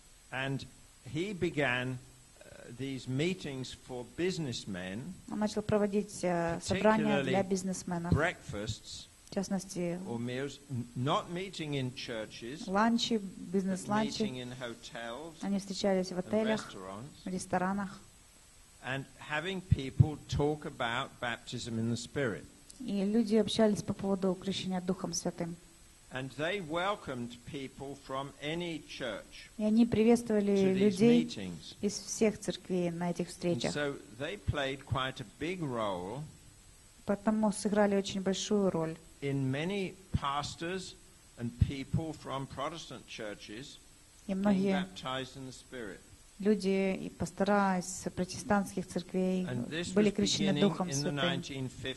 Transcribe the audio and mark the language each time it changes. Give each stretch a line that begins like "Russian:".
English: And he began these meetings for businessmen.
Russian: Он начал проводить собрания для бизнесменов.
English: Breakfasts.
Russian: В частности,
English: or meals, not meeting in churches,
Russian: ланчи, бизнес-ланчи,
English: meeting in hotels,
Russian: они встречались в отелях,
English: restaurants,
Russian: в ресторанах,
English: and having people talk about baptism in the Spirit.
Russian: И люди общались по поводу крещения Духом Святым.
English: And they welcomed people from any church.
Russian: И они приветствовали людей из всех церквей на этих встречах.
English: And so they played quite a big role.
Russian: Потому сыграли очень большую роль.
English: In many pastors and people from Protestant churches,
Russian: и многие
English: baptized in the Spirit.
Russian: люди и пастора из протестантских церквей были крещены Духом Святым.